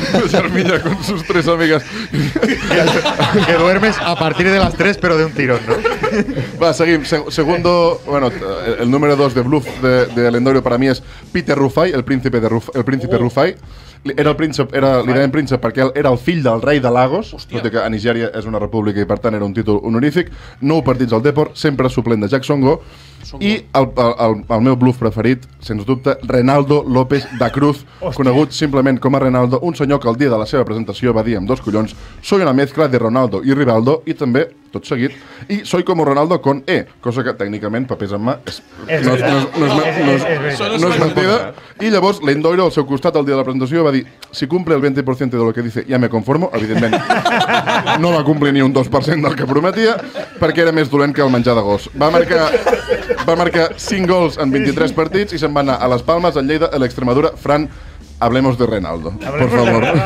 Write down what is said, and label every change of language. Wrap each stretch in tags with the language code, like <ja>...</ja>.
<es>Yalmiña con sus tres amigas. Que duermes a partir de las 3, pero de un tirón, ¿no?</es> <ca>Va, seguim.</ca> <es>Segundo, bueno, el número 2 de bluff de l'Endoiro para mí es Peter Ruffay, el príncipe Ruffay.</es> <ca>Era el príncep, li deien príncep perquè era el fill del rei de Lagos, tot i que a Nigèria és una república i per tant era un títol honorífic, 9 partits al Depor, sempre suplent de Jack Songo. I el meu bluff preferit, sens dubte, Reinaldo López da Cruz, conegut simplement com a Reinaldo, un senyor que el dia de la seva presentació va dir amb dos collons,</ca> <es>soy una mezcla de Ronaldo i Rivaldo,</es> <ca>i també, tot seguit, i</ca> <es>soy como Ronaldo con E,</es> <ca>cosa que tècnicament, papers en mà, no és mentida. I llavors, l'Endoiro al seu costat el dia de la presentació va dir,</ca> <es>si cumple el 20% de lo que dice, ya me conformo,</es> <ca>evidentment no va complir ni un 2% del que prometia, perquè era més dolent que el menjar de gos. Va marcar 5 gols en 23 partits i se'n va anar a Las Palmas, a Lleida, a l'Extremadura.</ca> <es>Fran, hablemos de Reinaldo, por favor.</es>